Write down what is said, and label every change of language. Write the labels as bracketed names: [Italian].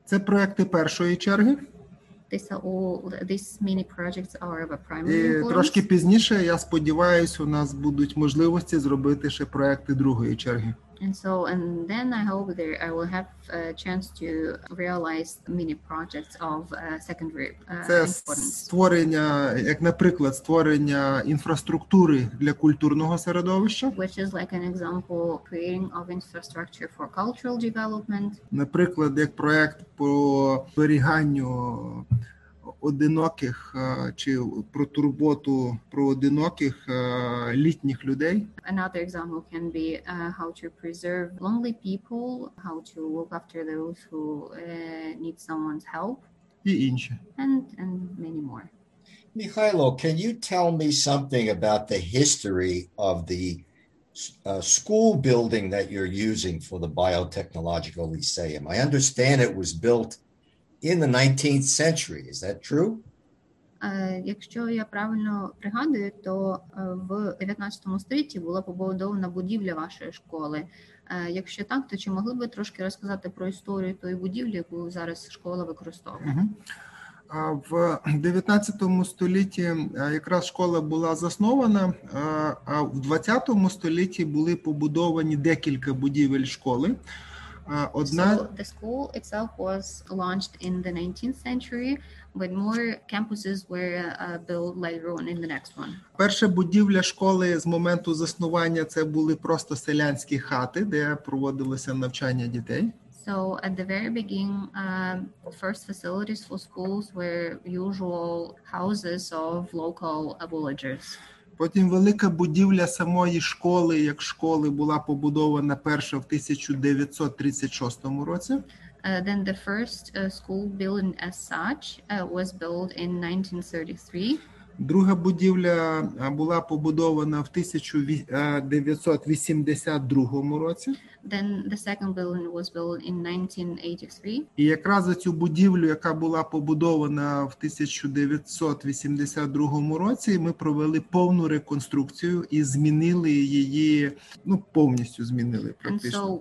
[Ukrainian] Це проекти першої черги. [English] These mini projects are of a primary importance. [Ukrainian] Трошки пізніше, я сподіваюся, у нас будуть можливості зробити ще проекти другої черги. [English] And so, and then I hope there I will have a chance to realize mini projects of secondary importance. [Ukrainian] Це створення, як наприклад, створення інфраструктури для культурного середовища. [English] Which is like an example creating of infrastructure for cultural development. [Ukrainian] Наприклад, як проект по зберіганню одиноких чи про турботу про одиноких літніх людей. [English] Another example can be how to preserve lonely people, how to look after those who need someone's help. [Ukrainian] І інше. [English] And many more. Михайло, can you tell me something about the history of the school building that you're using for the biotechnological lyceum? I understand it was built in the 19th century, is that true? [Ukrainian] Якщо я правильно пригадую, то в 19 столітті була побудована будівля вашої школи. Якщо так, то чи могли би трошки розказати про історію тої будівлі, яку зараз школа використовує? В 19 столітті якраз школа була заснована, а в 20 столітті були побудовані декілька будівель школи. Одна... [English] So the school itself was launched in the 19th century, but more campuses were built later on in the next one. [Ukrainian] Перша будівля школи з моменту заснування це були просто селянські хати, де проводилося навчання дітей. [English] So at the very beginning, first facilities for schools were usual houses of local villagers. [Ukrainian] Потім велика будівля самої школи, як школи, була побудована перша в 1936 році. [English] Then the first school building as such was built in 1933. [Ukrainian] Друга будівля була побудована в 1982 році. [English] Then the second building was built in 1983. [Ukrainian] І якраз за цю будівлю, яка була побудована в 1982 році, ми провели повну реконструкцію і змінили її, ну, повністю змінили практично.